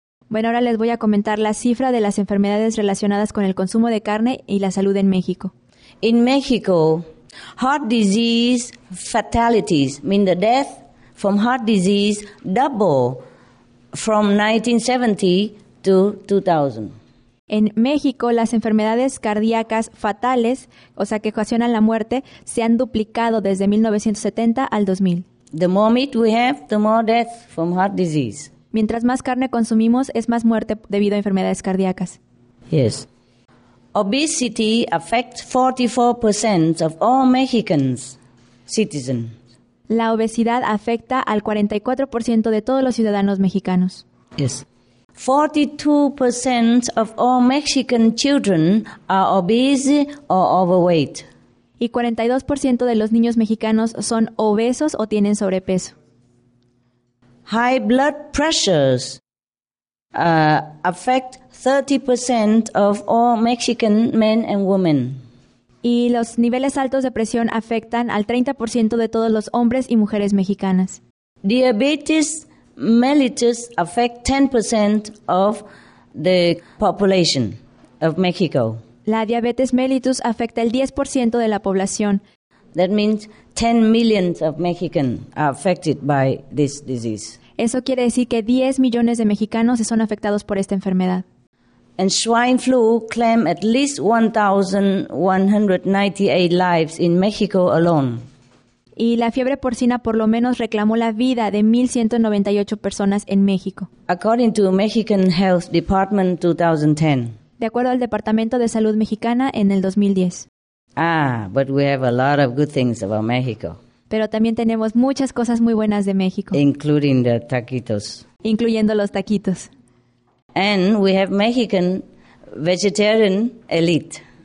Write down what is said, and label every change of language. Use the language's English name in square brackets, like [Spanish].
[Spanish] Bueno, ahora les voy a comentar la cifra de las enfermedades relacionadas con el consumo de carne y la salud en México. [English] In Mexico, heart disease fatalities mean the death from heart disease double from 1970 to 2000. [Spanish] En México, las enfermedades cardíacas fatales, o sea, que ocasionan la muerte, se han duplicado desde 1970 al 2000. [English] The more meat we have, the more death from heart disease. [Spanish] Mientras más carne consumimos, es más muerte debido a enfermedades cardíacas. [English] Yes. Obesity affects 44% of all Mexicans, citizens. [Spanish] La obesidad afecta al 44% de todos los ciudadanos mexicanos. [English] Yes. 42% of all Mexican children are obese or overweight. [Spanish] Y 42% de los niños mexicanos son obesos o tienen sobrepeso. [English] High blood pressures affect 30% of all Mexican men and women. [Spanish] Y los niveles altos de presión afectan al 30% de todos los hombres y mujeres mexicanas. [English] Diabetes mellitus affect 10% of the population of Mexico. [Spanish] La diabetes mellitus afecta el 10% de la población. [English] That means 10 million of Mexicans are affected by this disease. [Spanish] Eso quiere decir que 10 millones de mexicanos son afectados por esta enfermedad. [English] And swine flu claim at least 1,198 lives in Mexico alone. [Spanish] Y la fiebre porcina por lo menos reclamó la vida de 1,198 personas en México. [English] According to Mexican Health Department 2010. [Spanish] De acuerdo al Departamento de Salud Mexicana en el 2010. [English] Ah, but we have a lot of good things about Mexico. [Spanish] Pero también tenemos muchas cosas muy buenas de México. [English] Including the taquitos. [Spanish] Incluyendo los taquitos. [English] And we have Mexican vegetarian elite.